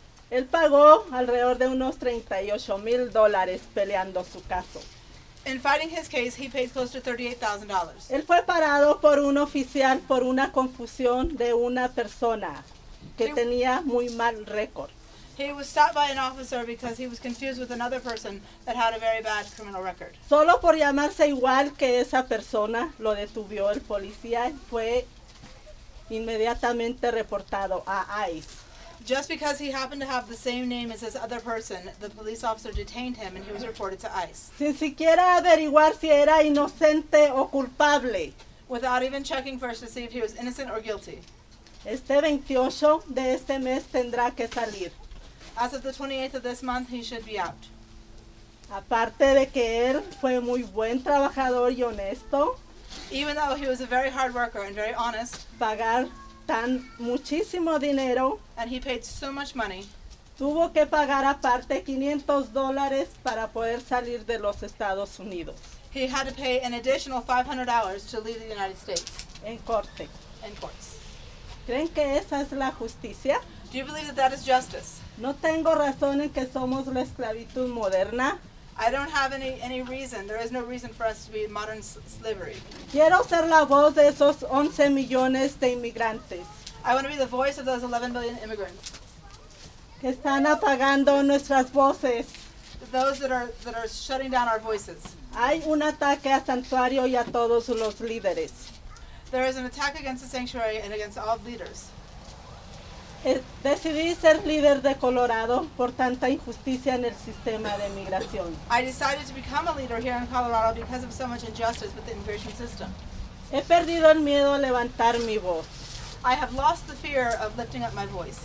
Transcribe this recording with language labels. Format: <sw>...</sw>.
<es>Él pagó alrededor de unos 38 mil dólares peleando su caso.</es> <en>In fighting his case, he paid close to $38,000.</en> <es>Él fue parado por un oficial por una confusión de una persona que tenía muy mal récord.</es> <en>He was stopped by an officer because he was confused with another person that had a very bad criminal record.</en> <es>Solo por llamarse igual que esa persona, lo detuvo el policía y fue inmediatamente reportado a ICE.</es> <en>Just because he happened to have the same name as this other person, the police officer detained him and he was reported to ICE.</en> <es>Sin siquiera averiguar si era inocente o culpable.</es> <en>Without even checking first to see if he was innocent or guilty.</en> <es>Este 28 de este mes tendrá que salir.</es> <en>As of the 28th of this month, he should be out.</en> <es>Aparte de que él fue muy buen trabajador y honesto.</es> <en>Even though he was a very hard worker and very honest.</en> <es>Pagar tan muchísimo dinero.</es> <en>And he paid so much money.</en> <es>Tuvo que pagar aparte $500 para poder salir de los Estados Unidos.</es> <en>He had to pay an additional $500 to leave the United States.</en> <es>En corte.</es> <en>In courts.</en> <es>¿Creen que esa es la justicia?</es> <en>Do you believe that that is justice?</en> <es>No tengo razón en que somos la esclavitud moderna.</es> <en>I don't have any reason. There is no reason for us to be modern slavery.</en> <es>Quiero ser la voz de esos 11 millones de inmigrantes.</es> <en>I want to be the voice of those 11 million immigrants.</en> <es>Que están apagando nuestras voces.</es> <en>Those that are shutting down our voices.</en> <es>Hay un ataque a santuario y a todos los líderes.</es> <en>There is an attack against the sanctuary and against all leaders.</en> <es>Decidí ser líder de Colorado por tanta injusticia en el sistema de migración.</es> <en>I decided to become a leader here in Colorado because of so much injustice with the immigration system.</en> <es>He perdido el miedo a levantar mi voz.</es> <en>I have lost the fear of lifting up my voice.</en>